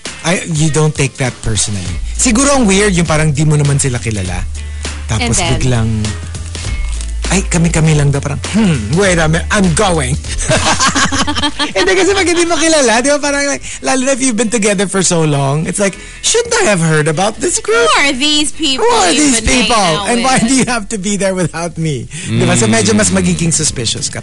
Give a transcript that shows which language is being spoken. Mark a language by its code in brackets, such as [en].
[en] You don't take that personally. [tl] Siguro ang weird yung parang di mo naman sila kilala. Tapos [en] then, [tl] biglang ay, kami-kami lang daw parang, [en] wait a minute, I'm going. [tl] Hindi kasi pag hindi mo kilala, di ba parang like, lalo na [en] if you've been together for so long, it's like, shouldn't I have heard about this group? Who are these people? Who are these people? And why do you have to be there without me? [tl] Di ba? So medyo mas magiging suspicious ka.